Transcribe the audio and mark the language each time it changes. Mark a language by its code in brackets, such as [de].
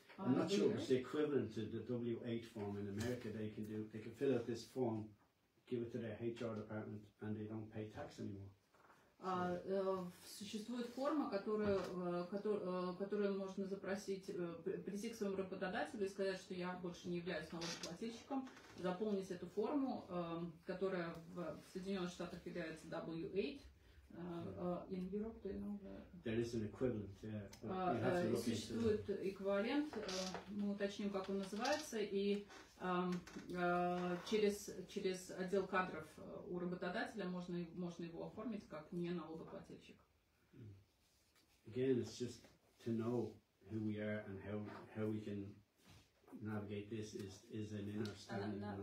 [en] I'm not sure if it's the equivalent to the W8 form in America. They can fill out this form, give it to their HR department, and they don't pay tax anymore. [ru] Существует форма, которую можно запросить, прийти к своему работодателю и сказать, что я больше не являюсь налогоплательщиком, заполнить эту форму, которая в Соединенных Штатах является W8. [en] In Europe, do you know that? There is an equivalent, yeah. [ru] Существует эквивалент, мы уточним, как он называется, и через отдел кадров у работодателя можно его оформить как не налогоплательщик. [en] Again, it's just to know who we are and how we can navigate this is an inner standard.